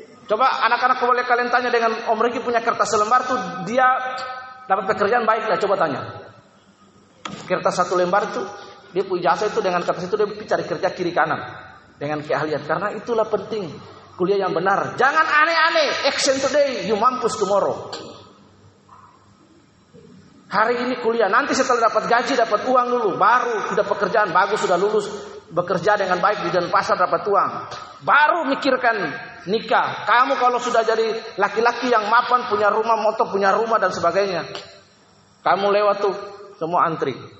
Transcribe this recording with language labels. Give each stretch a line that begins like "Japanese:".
Indonesian: Coba anak-anak, boleh kalian tanya dengan Om Riki punya kertas selembar tuh, dia dapat pekerjaan baik enggak? Coba tanya. Kertas satu lembar tuh, dia punya jasa itu, dengan kertas itu dia cari kerja kiri kanan dengan keahlian. Karena itulah penting kuliah yang benar. Jangan aneh-aneh.
English: Action today, you
Indonesian: mampus
English: tomorrow.
Indonesian: Hari ini kuliah, nanti setelah dapat gaji, dapat uang dulu, baru sudah pekerjaan bagus, sudah lulus, bekerja dengan baik di Denpasar, dapat uang, baru mikirkan nikah. Kamu kalau sudah jadi laki-laki yang mapan, punya rumah, motor, punya rumah dan sebagainya, kamu lewat tuh semua antri.